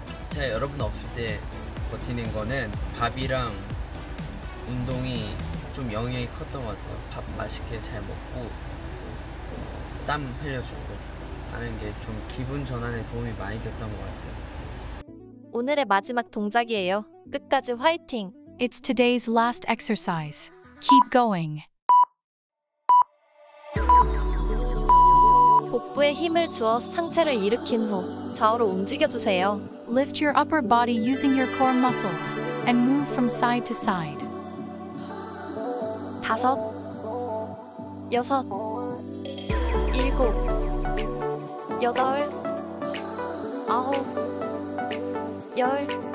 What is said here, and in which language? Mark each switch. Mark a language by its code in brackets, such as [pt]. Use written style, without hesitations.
[ko] 제가 여러분 없을 때 버티는 거는 밥이랑 운동이 좀 영향이 컸던 것 같아요. 밥 맛있게 잘 먹고 땀 흘려주고 하는 게 좀 기분 전환에 도움이 많이 됐던 것 같아요. 오늘의 마지막 동작이에요. 끝까지 화이팅! [en] It's today's last exercise. Keep going. [ko] 복부에 힘을 주어 상체를 일으킨 후 좌우로 움직여주세요. [en] Lift your upper body using your core muscles and move from side to side. [ko] 다섯, 여섯, 일곱, 여덟, 아홉, 열.